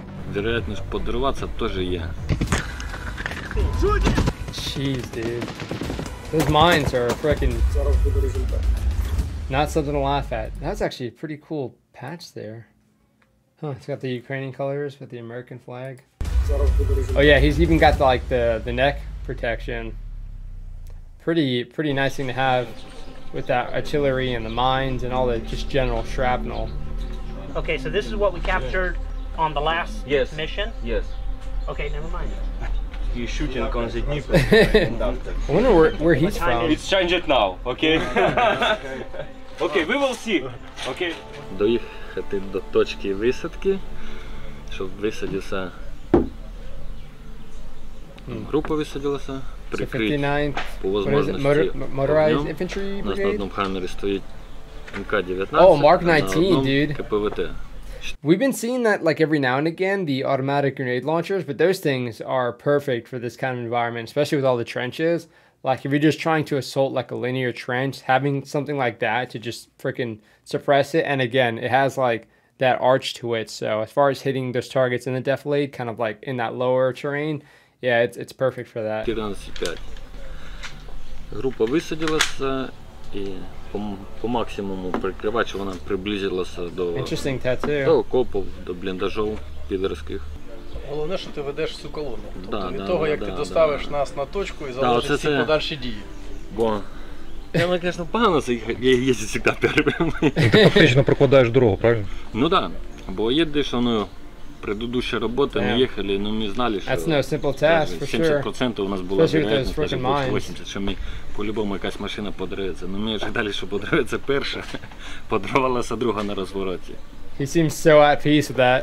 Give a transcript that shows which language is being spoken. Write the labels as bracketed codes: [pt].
[ru] Вероятность подрываться тоже есть. [en] Jeez, dude. Those mines are freaking not something to laugh at. That's actually a pretty cool patch there. Huh, it's got the Ukrainian colors with the American flag. Oh yeah, he's even got the neck protection. Pretty nice thing to have with that artillery and the mines and all the just general shrapnel. Okay, so this is what we captured on the last mission? Yes. Okay, never mind. He's shooting on the Dnieper. I wonder where he's from. It's changed it now, okay? Okay, we will see. Okay. [uk] Доїхати до точки висадки, щоб висадився. Група висадилася. Прикрить. [en] 59th. [ru] По возможності. [en] Motorized infantry brigade. [uk] У нас на одному хаммері стоїть МК-19. [en] Oh, Mark 19, dude. [uk] КПВТ. [en] We've been seeing that like every now and again, the automatic grenade launchers, but those things are perfect for this kind of environment, especially with all the trenches. Like if you're just trying to assault like a linear trench, having something like that to just freaking suppress it. And again, it has like that arch to it. So as far as hitting those targets in the defilade, kind of like in that lower terrain, yeah, it's perfect for that. [uk] 14-5. Група висадилася і... По максимуму прикривач вона приблизилася до окопів, до бліндажів підерських. Головне, що ти ведеш всю колону. Тобто да, від да, того, да, як да, ти доставиш да, нас на точку і залишиш да, всі це... подальші дії. Бо... Я, звісно, погано їздити завжди перебрим. Ти фактично прокладаєш дорогу, правильно? Ну так. Да. Бо їдеш, воно [ru] предыдущая работа, мы ехали, но мы знали, [en] that's [ru] что [en] no simple task, 70% sure. [ru] У нас было вероятность, что мы по-любому какая-то машина подрывается. Но мы ожидали, что подрывается первая, подрывалась другая на развороте. [en] He seems so at peace with that.